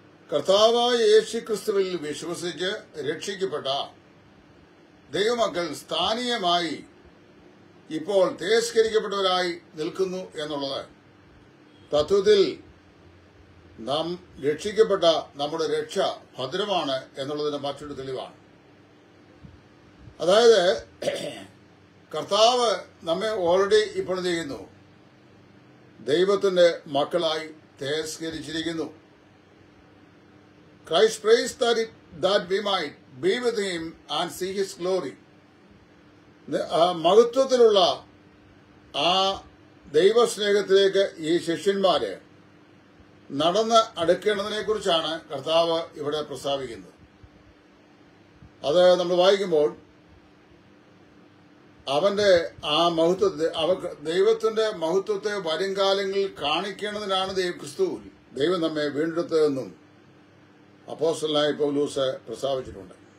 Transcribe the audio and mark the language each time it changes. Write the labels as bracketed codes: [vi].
[ml] കർത്താവായ യേശു ക്രിസ്തുവിൽ വിശ്വസിച്ച് രക്ഷിക്കപ്പെട്ട ദൈവമക്കൾ സ്ഥാനീയമായി ഇപ്പോൾ തേജസ്കരിക്കപ്പെട്ടവരായി നിൽക്കുന്നു എന്നുള്ളത് തത്വത്തിൽ നാം രക്ഷിക്കപ്പെട്ട നമ്മുടെ രക്ഷ ഭദ്രമാണ് എന്നുള്ളതിന് മറ്റൊരു തെളിവാണ്. അതായത് കർത്താവ് നമ്മെ ഓൾറെഡി ഇപ്പോൾ ചെയ്യുന്നു ദൈവത്തിന്റെ മക്കളായി തേജസ്കരിച്ചിരിക്കുന്നു. [en] Christ prays that we might be with him and see his glory. [ml] മഹത്വത്തിലുള്ള ആ ദൈവസ്നേഹത്തിലേക്ക് ഈ ശിഷ്യന്മാര് നടന്ന് അടുക്കേണ്ടതിനെക്കുറിച്ചാണ് കർത്താവ് ഇവിടെ പ്രസ്താവിക്കുന്നത്. അത് നമ്മൾ വായിക്കുമ്പോൾ അവന്റെ ആ മഹത്വത്തെ, അവർക്ക് ദൈവത്തിന്റെ മഹത്വത്തെ വരും കാലങ്ങളിൽ കാണിക്കേണ്ടതിനാണ് ദൈവക്രിസ്തു ദൈവം നമ്മെ വീണ്ടെടുത്തതെന്നും അപ്പോസ്തലനായ പൗലോസ് പ്രസ്താവിച്ചിട്ടുണ്ട്.